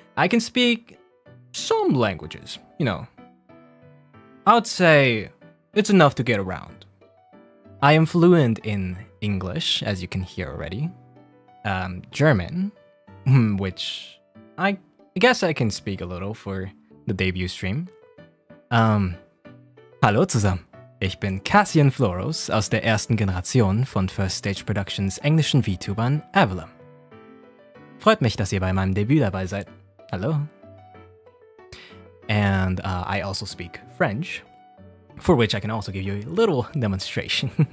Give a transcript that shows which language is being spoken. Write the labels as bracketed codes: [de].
[en] I can speak some languages, you know. I'd say it's enough to get around. I am fluent in English, as you can hear already. German, which I guess I can speak a little for the debut stream. [de] Hallo zusammen. Ich bin Cassian Floros aus der ersten Generation von First Stage Productions englischen VTubern Avallum. Freut mich, dass ihr bei meinem Debüt dabei seid. Hallo. [en] And I also speak French, for which I can also give you a little demonstration.